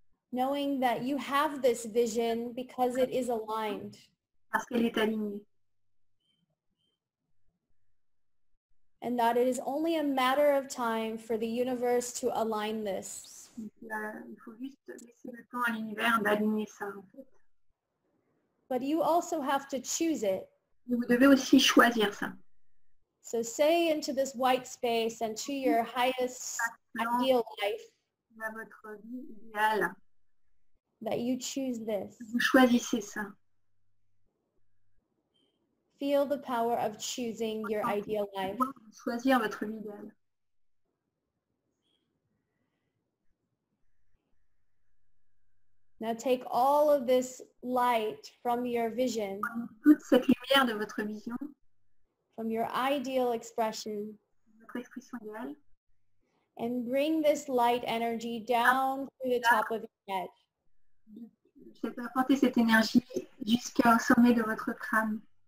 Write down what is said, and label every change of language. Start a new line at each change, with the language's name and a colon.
English: Knowing that you have this vision because it is aligned.
French: parce qu'elle est alignée.
English: And that it is only a matter of time for the universe to align this.
French: Il faut juste laisser le temps à l'univers d'aligner ça, en fait.
English: But you also have to choose it.
French: Et vous devez aussi choisir ça.
English: So say into this white space and to your highest ideal life.
French: À votre vie idéale.
English: That you choose this.
French: Vous choisissez ça.
English: Feel the power of choosing your ideal life.
French: Choisir votre vie idéale.
English: Now take all of this light from your vision.
French: Toute cette lumière de votre vision.
English: From your ideal expression.
French: Votre expression idéale.
English: And bring this light energy down through the top of your head.
French: Je vais apporter cette énergie jusqu'au sommet de votre crâne.